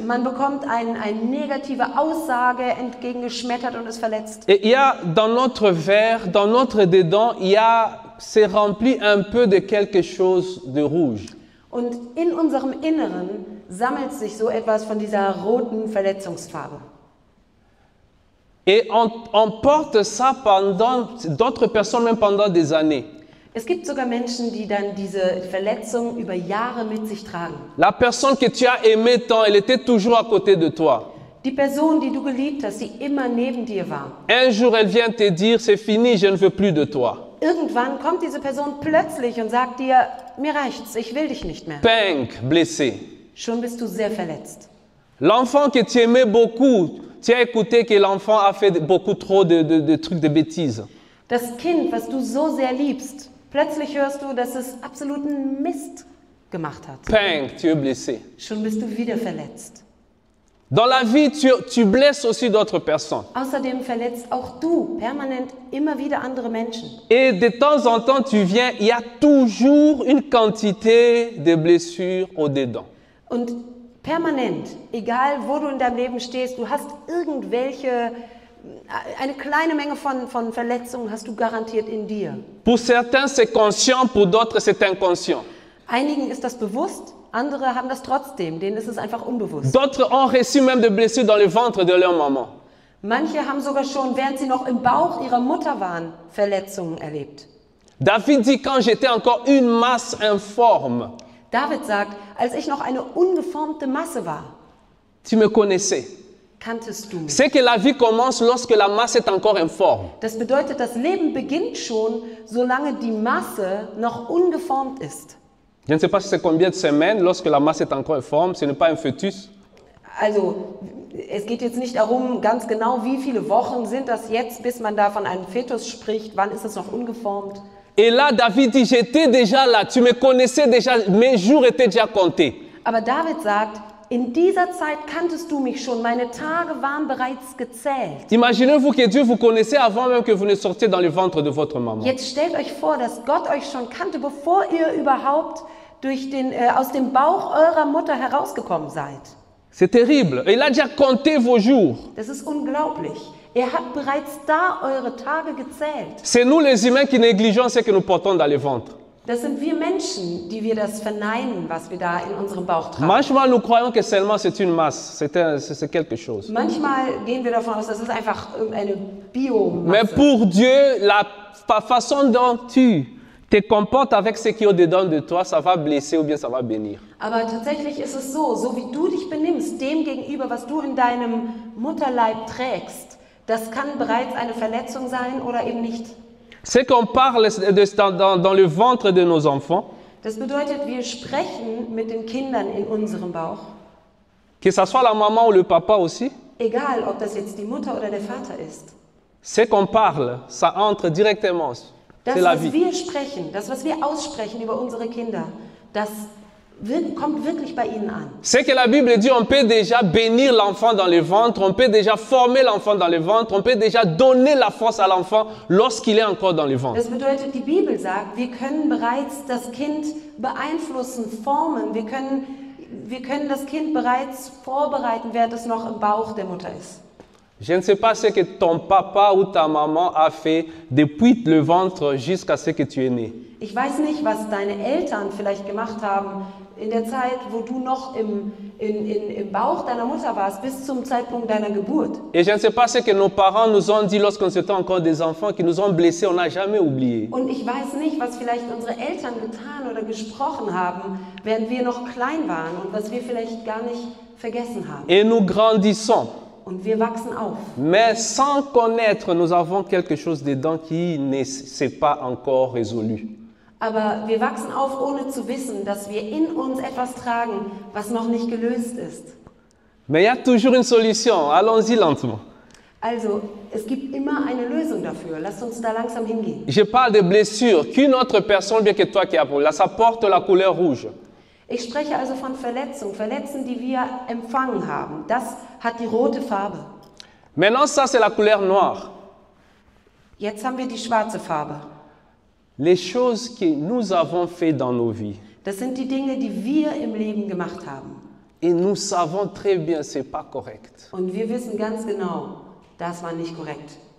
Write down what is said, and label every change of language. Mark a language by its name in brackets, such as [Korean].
[German] Man bekommt eine negative Aussage entgegengeschmettert und ist verletzt. [French] Et il y a dans notre verre, dans notre dedans, il y a c'est rempli un peu de quelque chose de rouge. [German] Und in unserem Inneren sammelt sich so etwas von dieser roten Verletzungsfarbe. [French] Et on porte ça pendant d'autres personnes même pendant des années. [German] Es gibt sogar Menschen, die dann diese Verletzung über Jahre mit sich tragen. [French] La personne que tu as aimé tant, elle était toujours à côté de toi. [German] Die Person, die du geliebt hast, sie immer neben dir war. [French] Un jour elle vient te dire c'est fini, je ne veux plus de toi. [German] Irgendwann kommt diese Person plötzlich und sagt dir, mir reicht's, ich will dich nicht mehr. [French] Bang, blessé. [German] Schon bist du sehr verletzt. [French] L'enfant que tu aimais beaucoup, tu as écouté que l'enfant a fait beaucoup trop de trucs de bêtises. [German] Das Kind, was du so sehr liebst, plötzlich hörst du, dass es absoluten Mist gemacht hat. [French] Bang, tu es blessé. [German] Schon bist du wieder verletzt. [French] Dans la vie, tu blesses aussi d'autres personnes. [German] Außerdem verletzt auch du permanent immer wieder andere Menschen. [French] Et de temps en temps, tu viens, il y a toujours une quantité de blessures au dedans. [German] Und permanent, egal wo du in deinem Leben stehst, du hast irgendwelche, eine kleine Menge von Verletzungen hast du garantiert in dir. [French] Pour certains c'est conscient, pour d'autres c'est inconscient. [German] Einigen ist das bewusst, andere haben das trotzdem, denen ist es einfach unbewusst. [French] D'autres ont reçu même des blessures dans le ventre de leur maman. [German] Manche haben sogar schon, während sie noch im Bauch ihrer Mutter waren, Verletzungen erlebt. [French] David dit, quand j'étais encore une masse informe. [German] David sagt, als ich noch eine ungeformte Masse war. [French] Tu me connaissais. [German] Kanntest du mich. [French] C'est que la vie commence lorsque la masse est encore informe. [German] Das bedeutet, das Leben beginnt schon, solange die Masse noch ungeformt ist. [French] Je ne sais pas si c'est combien de semaines lorsque la masse est encore informe, ce n'est pas un fœtus. [German] Also, es geht jetzt nicht darum, ganz genau, wie viele Wochen sind das jetzt, bis man da von einem Fetus spricht, wann ist es noch ungeformt? [French] Et là, David dit, j'étais déjà là, tu me connaissais déjà, mes jours étaient déjà comptés. [German] Aber David sagt, in dieser Zeit kanntest du mich schon, meine Tage waren bereits gezählt. [French] Imaginez-vous que Dieu vous connaissait avant même que vous ne sortiez dans le ventre de votre maman. [German] Jetzt stellt euch vor, dass Gott euch schon kannte, bevor ihr überhaupt aus dem Bauch eurer Mutter herausgekommen seid. [French] C'est terrible. Il a déjà compté vos jours. [German] Das ist unglaublich. Er hat bereits da eure Tage gezählt. [French] C'est nous les humains qui négligeons ce que nous portons dans le ventre. [German] Das sind wir Menschen, die wir das verneinen, was wir da in unserem Bauch tragen. Manchmal [French] nous croyons que seulement c'est une masse, c'est quelque chose. [German] Manchmal gehen wir davon aus, das ist einfach eine Biomasse. [French] Mais pour Dieu, la façon dont tu te comportes avec ce qui est au-dedans de toi, ça va blesser ou bien ça va bénir. [German] Aber tatsächlich ist es so wie du dich benimmst, dem gegenüber, was du in deinem Mutterleib trägst, das kann bereits eine Verletzung sein oder eben nicht. [French] Ce qu'on parle dans le ventre de nos enfants. [German] Das bedeutet, wir sprechen mit den Kindern in unserem Bauch. [French] Que ça soit la maman ou le papa aussi. [German] Egal, ob das jetzt die Mutter oder der Vater ist. [French] Ce qu'on parle, ça entre directement. [German] Das, was wir sprechen, das, was wir aussprechen über unsere Kinder, das kommt wirklich bei ihnen an. [French] Ce que la Bible dit, on peut déjà bénir l'enfant dans le ventre, on peut déjà former l'enfant dans le ventre, on peut déjà donner la force à l'enfant lorsqu'il est encore dans le ventre. [German] Das bedeutet, die Bibel sagt, wir können bereits das Kind beeinflussen, formen, wir können das Kind bereits vorbereiten, während es noch im Bauch der Mutter ist. [French] Je ne sais pas ce que ton papa ou ta maman a fait depuis le ventre jusqu'à ce que tu es né. [German] Ich weiß nicht, was deine Eltern vielleicht gemacht haben in der Zeit, wo du noch im Bauch deiner Mutter warst, bis zum Zeitpunkt deiner Geburt. [French] Et je ne sais pas ce que nos parents nous ont dit lorsqu'on était encore des enfants, qui nous ont blessés, on n'a jamais oublié. [German] Und ich weiß nicht, was vielleicht unsere Eltern getan oder gesprochen haben, während wir noch klein waren und was wir vielleicht gar nicht vergessen haben. [French] Et nous grandissons. [German] Und wir wachsen auf. [French] Mais sans connaître, nous avons quelque chose dedans qui ne s'est pas encore résolu. [German] Aber wir wachsen auf, ohne zu wissen, dass wir in uns etwas tragen, was noch nicht gelöst ist. [French] Mais il y a toujours une solution. Allons-y lentement. [German] Also, es gibt immer eine Lösung dafür. Lasst uns da langsam hingehen. [French] Je parle des blessures qu'une autre personne, bien que toi qui as là, ça porte la couleur rouge. [German] Ich spreche also von Verletzungen, Verletzungen, die wir empfangen haben. Das hat die rote Farbe. [French] Maintenant, ça c'est la couleur noire. [German] Jetzt haben wir die schwarze Farbe. [French] Les choses que nous avons fait dans nos vies. [German] Das sind die Dinge, die wir im Leben gemacht haben. [French] Et nous savons très bien, c'est pas correct. [German] Und wir wissen ganz genau, das war nicht korrekt.